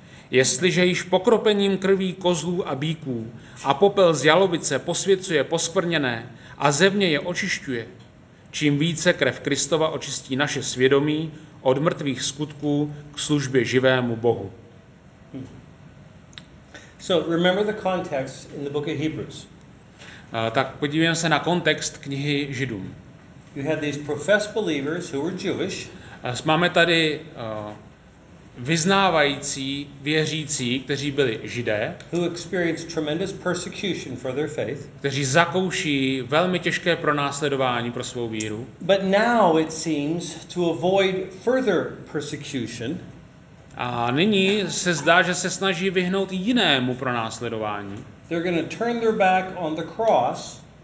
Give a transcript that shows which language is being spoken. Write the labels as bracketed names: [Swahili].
[Czech] Jestliže již pokropením krví kozlů a býků a popel z jalovice posvěcuje poskvrněné a zevně je očišťuje, čím více krev Kristova očistí naše svědomí od mrtvých skutků k službě živému Bohu. [English] So remember the context in the book of Hebrews. [Czech] Tak podívejme se na kontext knihy Židům. [English] You had these professed believers who were Jewish. [Czech] Máme tady vyznávající věřící, kteří byli Židé, [English] who experienced tremendous persecution for their faith. [Czech] Kteří zakouší velmi těžké pronásledování pro svou víru. [English] But now it seems to avoid further persecution. [Czech] A nyní se zdá, že se snaží vyhnout jinému pronásledování. [English] They're going to turn their back on the cross.